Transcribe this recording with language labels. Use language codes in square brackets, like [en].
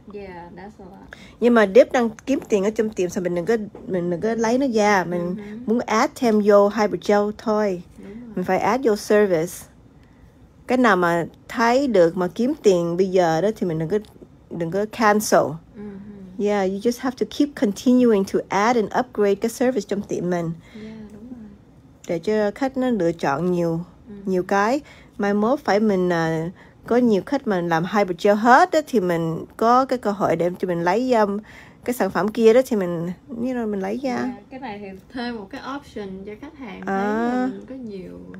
[en] Yeah, that's a lot. [vi] Nhưng mà dip đang kiếm tiền ở trong tiệm, sao mình đừng có lấy nó ra. Mình mm-hmm. muốn add thêm vô hybrid gel thôi. Mình phải add vô service. Cái nào mà thấy được mà kiếm tiền bây giờ đó thì mình đừng có cancel. Mm-hmm. [en] Yeah, you just have to keep continuing to add and upgrade [vi] cái service trong tiệm mình. Yeah, đúng rồi. Để cho khách nó lựa chọn nhiều mm-hmm. nhiều cái. Mai mốt phải mình có nhiều khách mình làm hybrid gel hết đó, thì mình có cái cơ hội để cho mình lấy cái sản phẩm kia đó thì mình như là mình lấy ra. Cái này thì thêm một cái option cho khách hàng thấy mình có nhiều